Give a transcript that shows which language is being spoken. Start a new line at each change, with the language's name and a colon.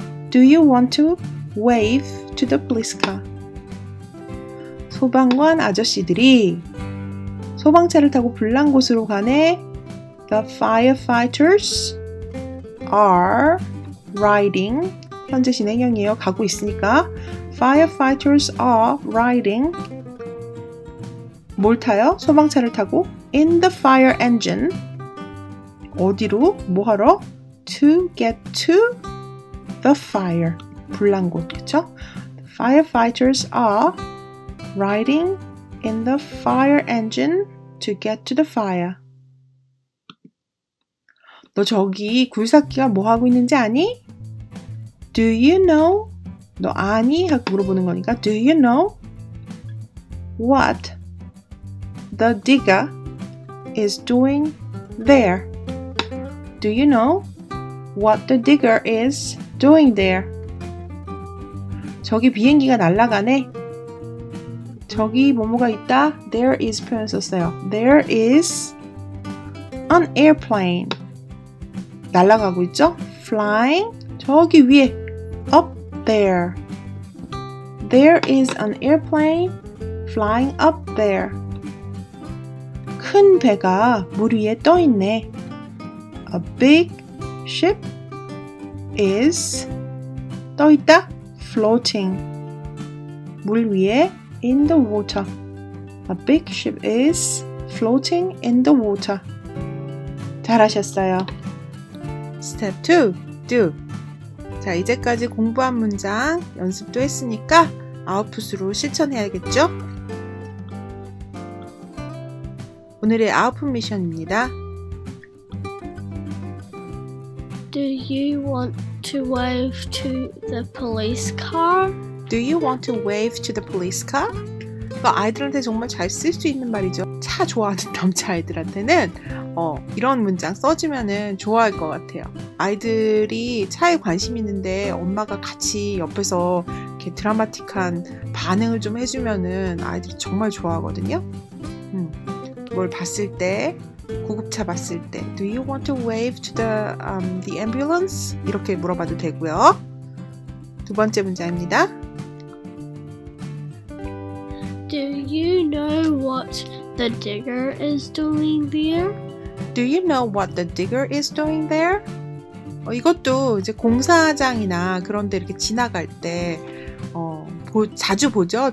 English: Do you want to wave to the police car?
Korean: 소방관 아저씨들이 소방차를 타고 불난 곳으로 가네.
English: The firefighters are riding.
Korean: 현재 진행형이에요. 가고 있으니까.
English: Firefighters are riding.
Korean: 뭘 타요? 소방차를 타고.
English: In the fire engine.
Korean: 어디로? 뭐 하러?
English: To get to the fire.
Korean: 불난 곳. 그쵸?
English: The firefighters are riding in the fire engine. To get to the fire.
Korean: 너 저기 굴삭기가 뭐 하고 있는지 아니?
English: Do you know?
Korean: 너 아니? 하고 물어보는 거니까
English: Do you know what the digger is doing there? Do you know what the digger is doing there?
Korean: 저기 비행기가 날아가네. 저기 뭐뭐가 있다. There is 표현 썼어요.
English: There is an airplane.
Korean: 날아가고 있죠?
English: Flying.
Korean: 저기 위에.
English: Up there. There is an airplane flying up there.
Korean: 큰 배가 물 위에 떠 있네.
English: A big ship is
Korean: 떠 있다.
English: Floating.
Korean: 물 위에.
English: In the water. A big ship is floating in the water.
Korean: 잘하셨어요.
English: Step 2. Do.
Korean: 자, 이제까지 공부한 문장 연습도 했으니까 아웃풋으로 실천해야겠죠? 오늘의 아웃풋 미션입니다.
English: Do you want to wave to the police car? Do you want to wave to the police car?
Korean: 그 아이들한테 정말 잘 쓸 수 있는 말이죠. 차 좋아하는 남자아이들한테는 이런 문장 써주면은 좋아할 것 같아요. 아이들이 차에 관심 있는데 엄마가 같이 옆에서 이렇게 드라마틱한 반응을 좀 해주면은 아이들이 정말 좋아하거든요. 뭘 봤을 때 구급차 봤을 때
English: Do you want to wave to the ambulance?
Korean: 이렇게 물어봐도 되고요. 두 번째 문제입니다. Do you know what the digger is doing there? Do you know what the digger is doing there? 이것도 이제 공사장이나 그런 데 이렇게 지나갈 때 자주 보죠.